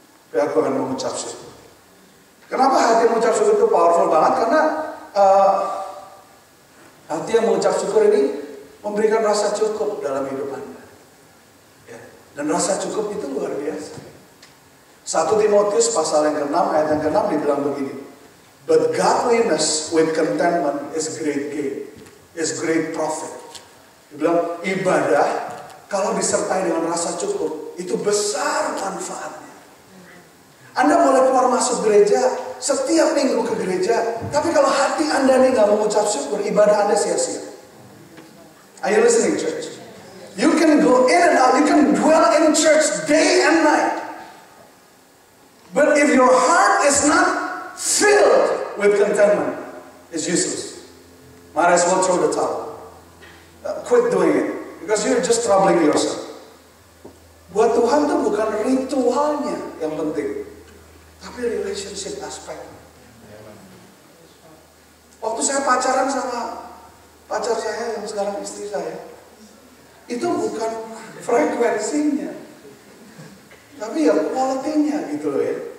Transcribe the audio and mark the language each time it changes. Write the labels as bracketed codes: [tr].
[id] Tapi aku akan mengucap syukur. Kenapa hati yang mengucap syukur itu powerful banget? Karena hati yang mengucap syukur ini memberikan rasa cukup dalam hidup Anda. Dan rasa cukup itu luar biasa. 1 Timotius pasal yang ke-6 ayat yang ke-6 dibilang begini. [en] But godliness with contentment is great gain, is great profit. [id] Dibilang ibadah kalau disertai dengan rasa cukup itu besar manfaatnya. Anda boleh keluar masuk gereja setiap minggu ke gereja, tapi kalau hati Anda ini enggak mengucap syukur, ibadah Anda sia-sia. [en] Are you listening, church? You can go in and out, you can dwell in church day and night. But if your heart is not filled with contentment, it's useless. Might as well throw the towel. Quit doing it, because you're just troubling yourself. [id] Buat Tuhan itu bukan ritualnya yang penting, tapi [en] relationship aspect. [id] Waktu saya pacaran sama pacar saya yang sekarang istri saya, itu bukan frekuensinya, tapi ya quality-nya gitu loh ya.